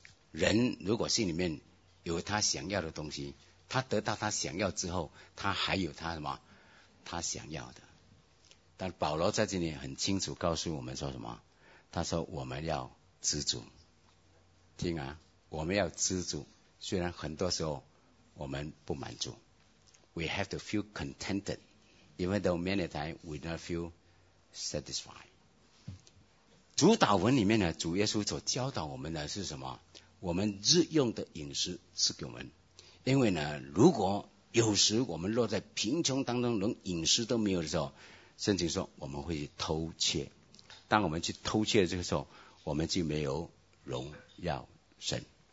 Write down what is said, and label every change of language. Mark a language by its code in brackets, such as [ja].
[zh] 人如果心里面有他想要的东西，他得到他想要之后，他还有他什么？他想要的。但保罗在这里很清楚告诉我们说什么，他说我们要知足。听啊，我们要知足，虽然很多时候我们不满足。 [en] We have to feel contented even though many times we don't feel satisfied。 [zh] 主导文里面呢，主耶稣所教导我们的是什么？我们日用的饮食赐给我们。因为呢，如果有时我们落在贫穷当中，连饮食都没有的时候，圣经说我们会去偷窃。当我们去偷窃的这个时候，我们就没有荣耀神。